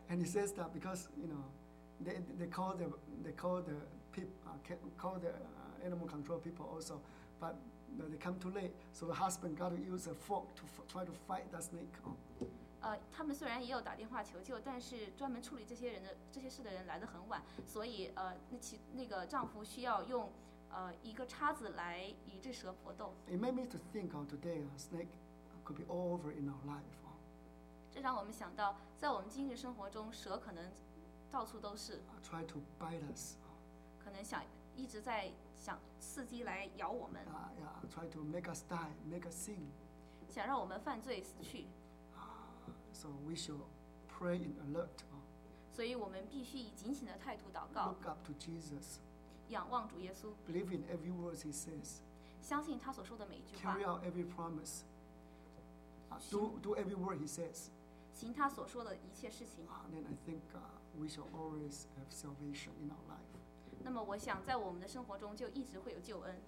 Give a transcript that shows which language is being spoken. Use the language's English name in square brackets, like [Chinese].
[English] And he says that because you know, they call the animal control people also, but they come too late. So the husband got to use a fork to try to fight that snake. [Chinese] 他们虽然也有打电话求救，但是专门处理这些事的人来得很晚，所以那个丈夫需要用一个叉子来与这蛇搏斗。 [English] It made me to think of today, a snake could be all over in our life. [Chinese] 这让我们想到，在我们今日生活中，蛇可能到处都是。 [English] Try to bite us. [Chinese] 可能想一直在想伺机来咬我们。 [English] Try to make us die, make us sin. [Chinese] 想让我们犯罪死去。 [English] So we shall pray in alert. [Chinese] 所以我们必须以警醒的态度祷告。 [English] Look up to Jesus. [Chinese] 仰望主耶稣。 [English] Believe in every word he says. [Chinese] 相信他所说的每一句话。 [English] Carry out every promise. Do every word he says. [Chinese] 行他所说的一切事情。 [English] Then I think we shall always have salvation in our life. [Chinese] 那么我想在我们的生活中就一直会有救恩。